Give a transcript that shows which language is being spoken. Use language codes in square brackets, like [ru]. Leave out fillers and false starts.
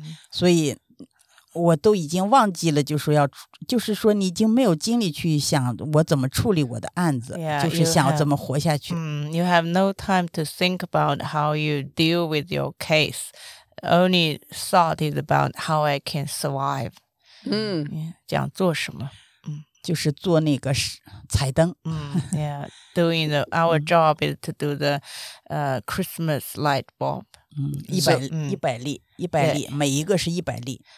[zh] 所以我都已经忘记了，就是说你已经没有精力去想我怎么处理我的案子， [en] yeah, [zh] 就是想怎么活下去。 [en] You have no time to think about how you deal with your case. Only thought is about how I can survive. [zh] 这样做什么？就是做那个彩灯。 [en] Yeah, doing the, our job is to do the Christmas light bulb. [zh] 一百粒，每一个是一百粒。